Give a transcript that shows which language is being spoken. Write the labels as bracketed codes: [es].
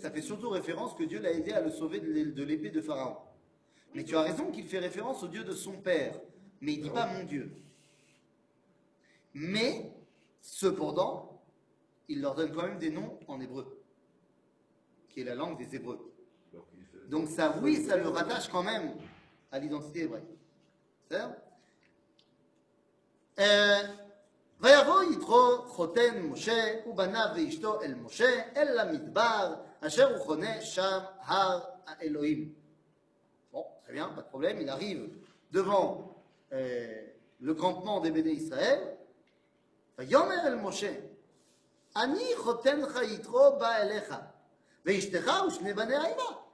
[fr] Ça fait surtout référence que Dieu l'a aidé à le sauver de l'épée de Pharaon. Mais tu as raison qu'il fait référence au Dieu de son père. mais il ne dit pas mon Dieu. Mais, cependant, il leur donne quand même des noms en hébreu, qui est la langue des Hébreux. Donc ça, oui, ça le rattache quand même à l'identité hébraïque. C'est-à-dire [he] ויבוא יתרו חותן משה ובנה ואשתו אל משה אל המדבר אשר הוא חונה שם הר האלוהים. [fr] Bon, très bien, pas de problème, il arrive devant le campement des béné Israël. [he] ויאמר אל משה, אני חותן לך יתרו בא אליך ואשתך ושני בני האימה.